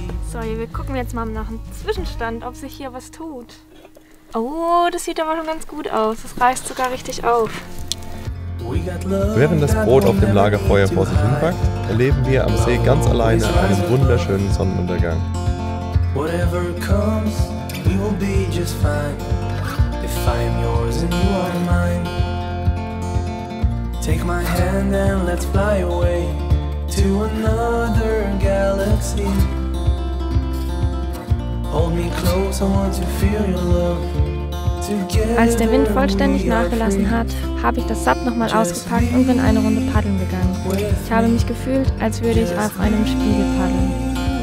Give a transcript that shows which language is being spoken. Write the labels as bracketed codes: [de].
[de] So, wir gucken jetzt mal nach dem Zwischenstand, ob sich hier was tut. Oh, das sieht aber schon ganz gut aus. Das reißt sogar richtig auf. Während das Brot auf dem Lagerfeuer vor sich hinbackt, erleben wir am See ganz alleine einen wunderschönen Sonnenuntergang. [en] Whatever comes, we will be just fine. If I am yours and you are mine. Take my hand and let's fly away to another galaxy. Hold me close, I want to feel your love. [de] Als der Wind vollständig nachgelassen hat, habe ich das SUP nochmal ausgepackt und bin eine Runde paddeln gegangen. Ich habe mich gefühlt, als würde ich auf einem Spiegel paddeln.